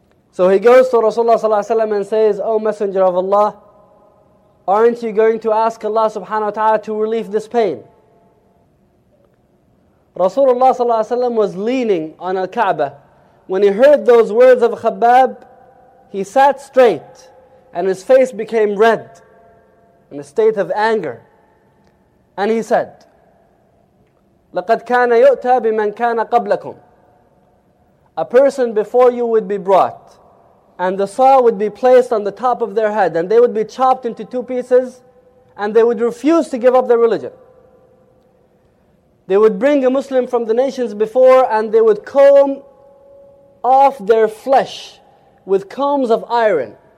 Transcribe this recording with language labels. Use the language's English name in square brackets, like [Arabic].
[English] So he goes to Rasulullah sallallahu alayhi wa sallam and says, O Messenger of Allah, aren't you going to ask Allah subhanahu wa ta'ala to relieve this pain? Rasulullah sallallahu alayhi wa sallam was leaning on al-Kaaba. When he heard those words of Khabbab, he sat straight and his face became red in a state of anger. And he said, [Arabic] لَقَدْ كَانَ يُؤْتَى بِمَنْ كَانَ قَبْلَكُمْ. [English] A person before you would be brought, and the saw would be placed on the top of their head, and they would be chopped into two pieces, and they would refuse to give up their religion. They would bring a Muslim from the nations before, and they would comb off their flesh with combs of iron.